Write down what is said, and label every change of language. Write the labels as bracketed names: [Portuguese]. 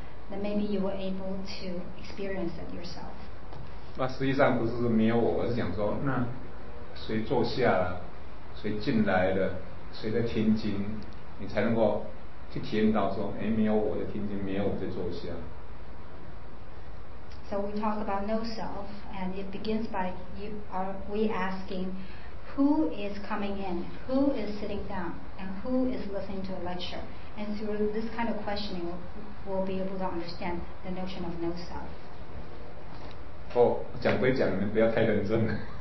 [English] Then maybe you were able to experience it yourself. [Chinese] 那实际上不是没有我，而是讲说，那谁坐下了，谁进来了，谁在听经，你才能够去体验到说，哎，没有我在听经，没有我在坐下。 [English] So we talk about no self, and it begins by we asking. Who is coming in? Who is sitting down? And who is listening to a lecture? And through this kind of questioning, we'll be able to understand the notion of no self. [Chinese] Oh, 讲归讲，你不要太认真。